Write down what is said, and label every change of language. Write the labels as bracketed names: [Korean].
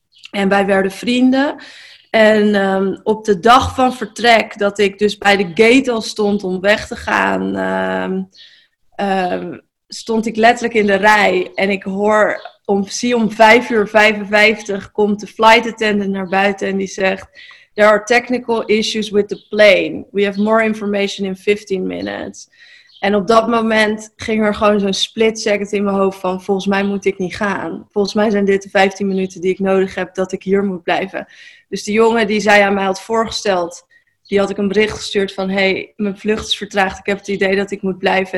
[Dutch] En wij werden vrienden. En op de dag van vertrek, dat ik dus bij de gate al stond om weg te gaan, stond ik letterlijk in de rij. En ik hoor, zie om 5:55 komt de flight attendant naar buiten en die zegt, [English] there are technical issues with the plane. We have more information in 15 minutes. [Dutch] En op dat moment ging er gewoon zo'n split second in mijn hoofd van, volgens mij moet ik niet gaan. Volgens mij zijn dit de 15 minuten die ik nodig heb dat ik hier moet blijven. Dus de jongen die zij aan mij had voorgesteld, die had ik een bericht gestuurd van, hey, mijn vlucht is vertraagd, ik heb het idee dat ik moet blijven.